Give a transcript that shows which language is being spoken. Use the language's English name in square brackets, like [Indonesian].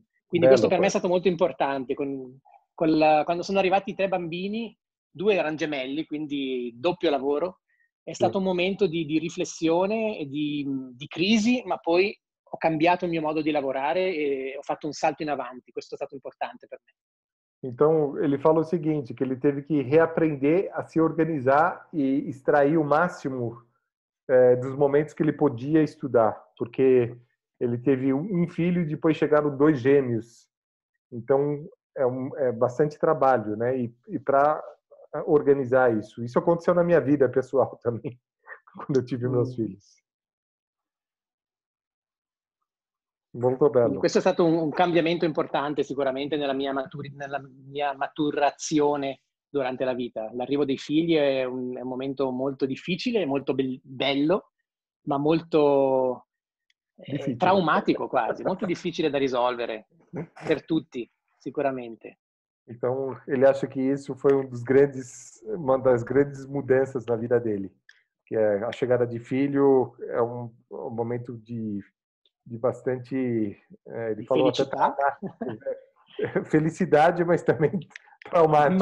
[Italian] Quindi bello, questo per me è stato molto importante. Quando sono arrivati i tre bambini, due erano gemelli, quindi doppio lavoro, è stato un momento di riflessione e di crisi, ma poi ho cambiato il mio modo di lavorare e ho fatto un salto in avanti. Questo è stato importante per me. [Portuguese] Então, ele fala o seguinte, che ele teve que reaprender a se organizar e extrair o máximo dos momentos que ele podia estudar, porque... Ele teve um filho e depois chegaram dois gêmeos. Então, é bastante trabalho, né? E para organizar isso. Isso aconteceu na minha vida pessoal também, quando eu tive meus filhos. Muito belo. [Italian] Questo è stato un cambiamento importante, sicuramente, nella mia maturazione durante la vita. L'arrivo dei figli è un momento molto difficile, molto bello, ma molto... Difficile. Traumatico quasi, molto difficile da risolvere per tutti, sicuramente. [Portuguese] Então, ele acha que isso foi uma das grandes mudanças na vida dele, que é a chegada de filho, é um momento de bastante ele falou felicidade. Até felicidade, mas também traumático.